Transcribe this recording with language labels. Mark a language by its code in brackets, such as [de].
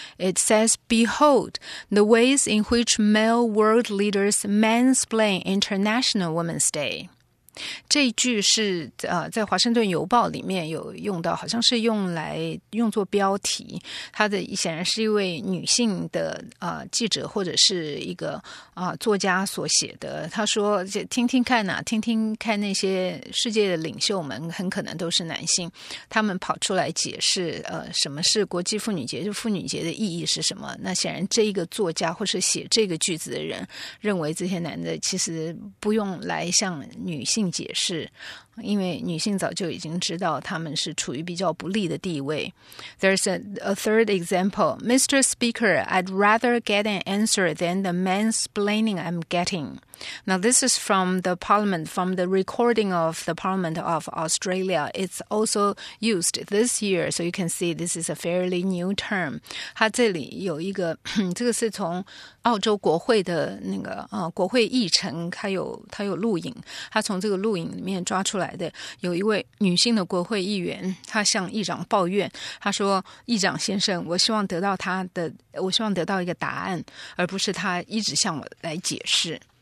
[en] It says, Behold, the ways in which male world leaders mansplain International Women's Day. [zh] 这一句是在华盛顿邮报里面有用到，好像是用作标题。他的显然是一位女性的记者或者是一个作家所写的。他说，听听看啊，听听看那些世界的领袖们，很可能都是男性，他们跑出来解释什么是国际妇女节，就妇女节的意义是什么。那显然这一个作家或是写这个句子的人认为这些男的其实不用来向女性解释，因为女性早就已经知道他们是处于比较不利的地位。 [en] There's a third example. Mr. Speaker, I'd rather get an answer than the mansplaining I'm getting. Now this is from the Parliament, from the recording of the Parliament of Australia. It's also used this year, so you can see this is a fairly new term. [zh] 它这里有一个，这个是从澳洲国会的那个国会议程，它有录影，它从这个录影里面抓出来的。有一位女性的国会议员，她向议长抱怨，她说，议长先生，我希望得到一个答案，而不是她一直向我来解释。